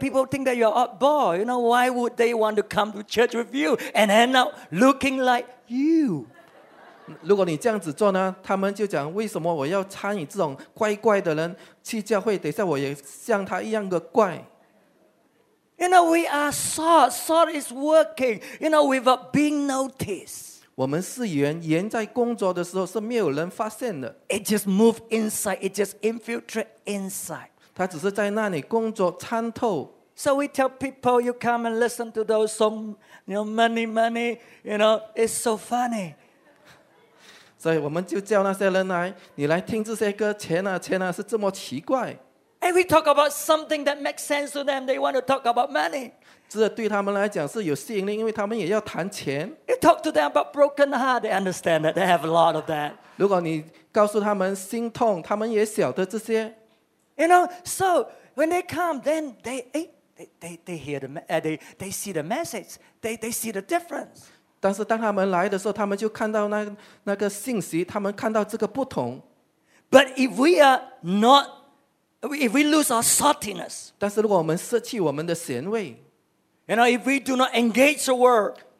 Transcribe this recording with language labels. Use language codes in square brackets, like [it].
[en] People think that you're oddball. You know, why would they want to come to church with you and end up looking like you? [zh] 如果你这样子做呢，他们就讲为什么我要参与这种怪怪的人去教会？等一下我也像他一样的怪。 [en] You know we are salt. Salt is working. You know without being noticed. [zh] 我们是盐，盐在工作的时候是没有人发现的。 [en] It just moves inside. It just infiltrates inside. [zh] 它只是在那里工作参透。 [en] So we tell people, you come and listen to those song, you know, money, money, you know, it's so funny. [zh] 所以我们就叫那些人来，你来听这些歌，钱啊钱啊，是这么奇怪。 [en] And we talk about something that makes sense to them. They want to talk about money. [zh] 这对他们来讲是有吸引力，因为他们也要谈钱。 [en] You talk to them about broken heart. They understand that. They have a lot of that. [zh] 如果你告诉他们心痛，他们也晓得这些。 [en] You know, so when they come, then they see the message. They see the difference. [zh] 但是当他们来的时候，他们就看到那个信息，他们看到这个不同。 [en] But if we are not, if we lose our saltiness, [zh] 但是如果我们失去我们的咸味， [en] you know, if we do not engage the word,